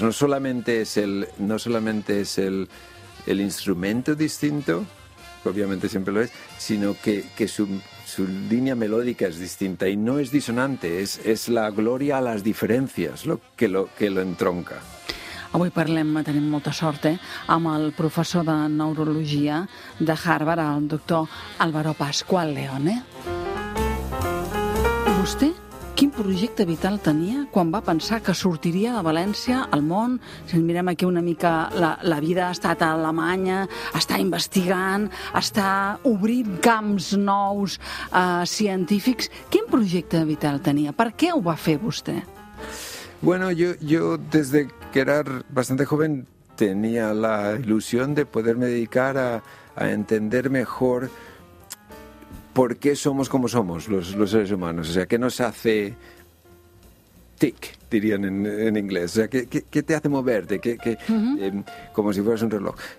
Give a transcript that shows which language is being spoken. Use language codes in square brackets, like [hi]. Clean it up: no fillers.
[es] No solamente es el instrumento distinto, que obviamente siempre lo es, sino que su línea melódica es distinta y no es disonante, es la gloria a las diferencias lo que entronca. [ca] Avui parlem, tenim molta sort, amb el professor de neurologia de Harvard, el doctor Álvaro Pascual León. Vostè, quin projecte vital tenia quan va pensar que sortiria de València al món? Si mirem aquí una mica la vida, ha estat a Alemanya, està investigant, està obrint camps nous científics. Quin projecte vital tenia? Per què ho va fer vostè? [es] Bueno, yo desde que era bastante joven tenía la ilusión de poderme dedicar a entender mejor por qué somos como somos los seres humanos. O sea, ¿qué nos hace tic, dirían en inglés? O sea, ¿qué te hace moverte? ¿Qué, uh-huh. Como si fueras un reloj.